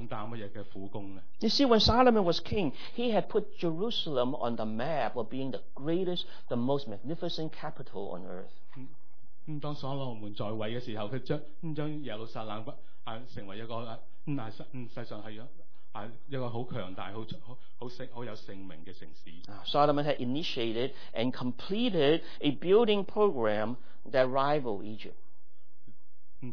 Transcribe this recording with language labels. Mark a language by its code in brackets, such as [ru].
[en] You see, when Solomon was king, he had put Jerusalem on the map of being the greatest, the most magnificent capital on earth. [yue] 当所罗门在位的时候，他将耶路撒冷成为一个世上系一个好强大、好有盛名的城市。 [en] Solomon had initiated and completed a building program that rivaled Egypt.